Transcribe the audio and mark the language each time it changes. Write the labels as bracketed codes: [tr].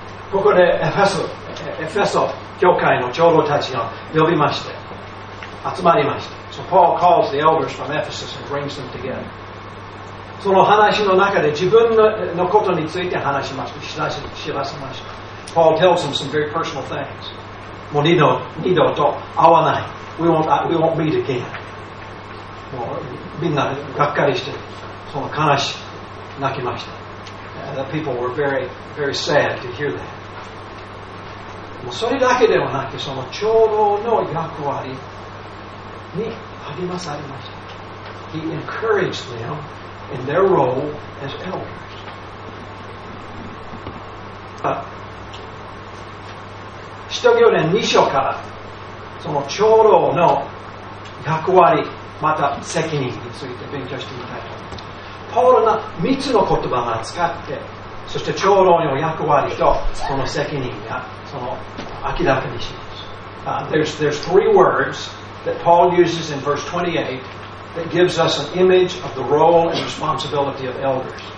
[ja] ここでエフェソ教会の長老たちが呼びまして集まりました。 [en] So Paul calls the elders from Ephesus and brings them together. [ja] その話の中で自分のことについて話しました。知らせました。 [en] Paul tells them some very personal things. [ja] もう二度と会わない。 [en] We won't meet again. [ja] もうみんながっかりしてその悲しい泣きました。 [en] The people were very, very sad to hear that. [ja] もうそれだけではなく、その長老の役割に励まされました。 [en] He encouraged them in their role as elders. [ja] 使徒行伝2章から、その長老の役割、また責任について勉強してみたいと思います。パウロが3つの言葉を使って、そして長老の役割とその責任がその明らかにします。 [en] There's three words that Paul uses in verse 28 that gives us an image of the role and responsibility of elders.